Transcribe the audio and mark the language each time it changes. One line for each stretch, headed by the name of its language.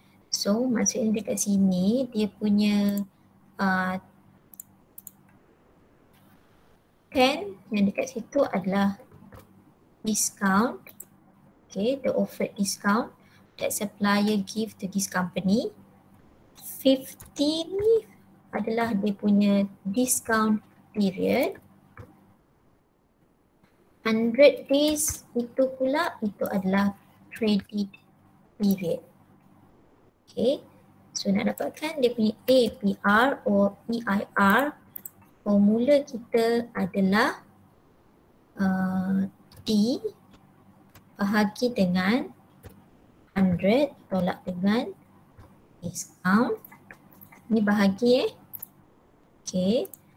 Malay: So maksudnya dekat sini dia punya 10 yang dekat situ adalah discount.
English: Okay, the offered discount that supplier give to this company.
Malay: 50 ni adalah dia punya discount period.
English: 100 days
Malay: itu pula, itu adalah credit period. Okay, so nak dapatkan dia punya APR or EIR, formula kita adalah D bahagi dengan 100 tolak dengan discount. Ni bahagi eh. Okay.